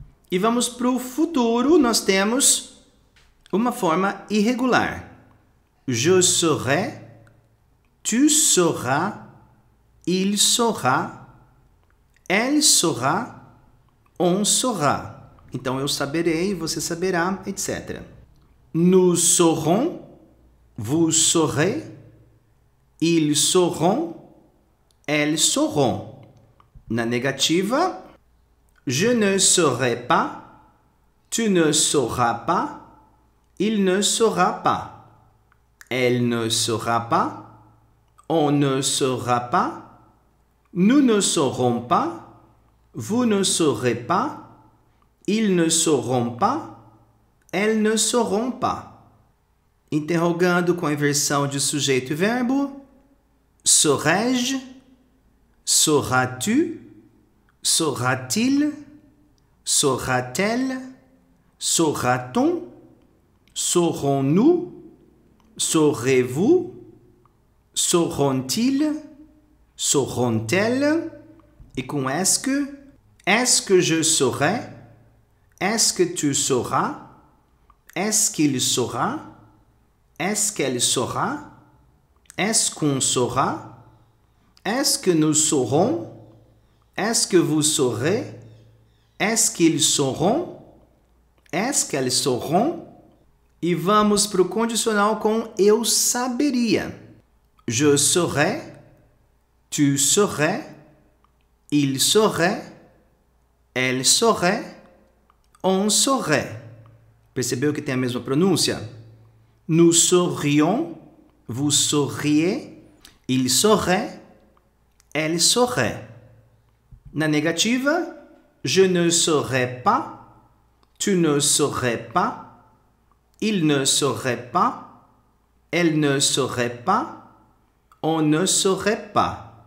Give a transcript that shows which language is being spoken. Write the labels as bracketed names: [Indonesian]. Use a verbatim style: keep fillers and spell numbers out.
[Portuguese] E vamos para o futuro, nós temos uma forma irregular. [French] Je saurai, tu sauras, il saura, elle saura, on saura. [Portuguese] Então, eu saberei, você saberá, et cetera. [French] Nous saurons, vous saurez, ils sauront, elles sauront. [Portuguese] Na negativa, [French] je ne saurai pas, tu ne sauras pas, il ne saura pas. Elle ne saura pas, on ne saura pas, nous ne saurons pas, vous ne saurez pas, ils ne sauront pas, elles ne sauront pas. [Portuguese] Interrogando com a inversão de sujeito e verbo. [French] Saurai-je? Sauras-tu? Saura-t-il? Saura-t-elle? Saura-t-on? Saurons-nous? Saurez-vous? Sauront-ils? Sauront-elles? [Portuguese] E com [French] est-ce que? Est-ce que je saurai? Est-ce que tu sauras? Est-ce qu'il saura? Est-ce qu'elle saura? Est-ce qu'on saura? Est-ce que nous saurons? Est-ce que vous saurez? Est-ce qu'ils sauront? Est-ce qu'elles sauront? [Portuguese] E vamos para o condicional com eu saberia. [French] Je saurais, tu saurais, il saurait, elle saurait, on saurait. [Portuguese] Percebeu que tem a mesma pronúncia? [French] Nous saurions, vous sauriez, il saurait, elle saurait. [Portuguese] Na negativa, [French] je ne saurais pas, tu ne saurais pas, il ne saurait pas, elle ne saurait pas, on ne saurait pas.